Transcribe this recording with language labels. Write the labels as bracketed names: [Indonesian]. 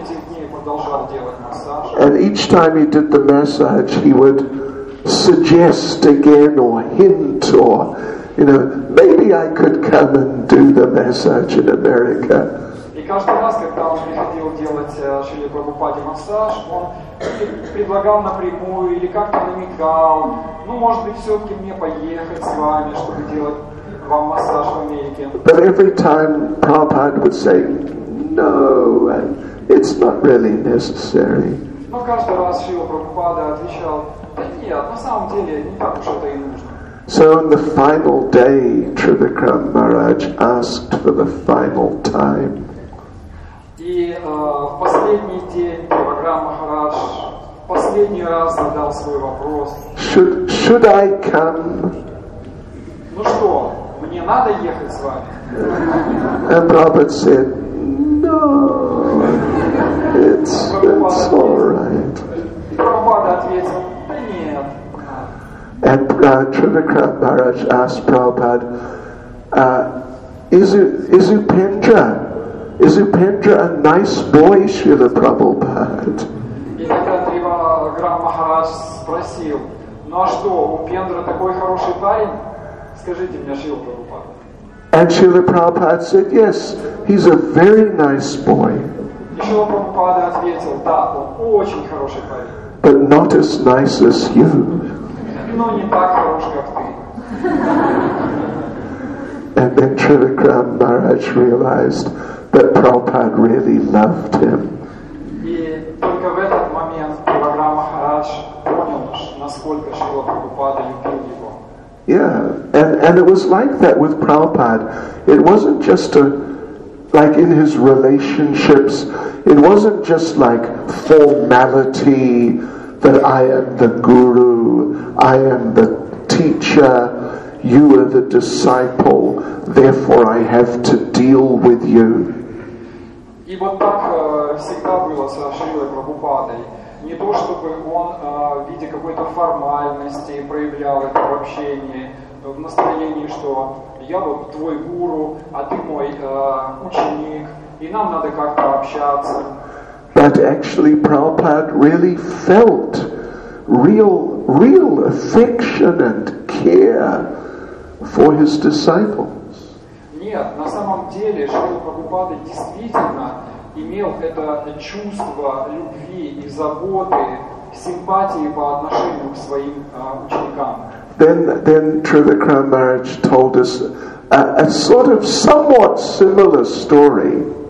[English] And each time he did the massage, he would suggest again or hint or, you know, maybe I could come and do the massage in America. [Russian] И каждый раз, когда он приходил делать Шриле Прабхупаде массаж, он предлагал напрямую или как-то намекал, ну, может быть, все-таки мне поехать с вами, чтобы делать вам массаж в Америке. [English] But every time Prabhupada would say, no, it's not really necessary. [Russian] Но каждый раз Шрила Прабхупада отвечал, да нет, на самом деле, не так уж это и нужно. [English] So on the final day, Тривакрам Махарадж asked for the final time. [Russian] И в последний день Тривакрам Махарадж последний раз задал свой вопрос. [English] Should I come? [Russian] Ну что, мне надо ехать с вами? [English] And Prabhupada said, no, it's all right. [Russian] И Прабхупада ответил, да нет. [English] And Тривакрам Махарадж asked Prabhupada, is Upendra a nice boy, Srila Prabhupada? [Russian] И тогда Тривакрам Махарадж спросил, ну а что, Упендра такой хороший парень? Скажите мне, Шрила Прабхупада. [English] And Srila Prabhupada said, yes, he's a very nice boy. [Russian] И Шрила Прабхупада ответил, да, он очень хороший парень. [English] But not as nice as you. [Russian] Но не так хорош, как ты. [English] And then Тривакрам Махарадж realized that Prabhupada really loved him. [Russian] И только в этот момент Тривакрам Махарадж понял, насколько Шрила Прабхупада любил его. [English] Yeah. And it was like that with Prabhupada. It wasn't just like in his relationships, it wasn't just like formality that I am the guru, I am the teacher, you are the disciple, therefore I have to deal with you. [Russian] И вот так всегда было со Шрилой Прабхупадой. Не то, чтобы он в виде какой-то формальности проявлял это в общении, в настроении, что я вот твой гуру, а ты мой ученик, и нам надо как-то общаться. [English] But actually Prabhupada really felt real affection and care for his disciples. [Russian] Нет, на самом деле Шрила Прабхупада действительно имел это чувство любви и заботы, симпатии по отношению к своим ученикам. [English] Then Trivikram Maharaj told us a sort of somewhat similar story.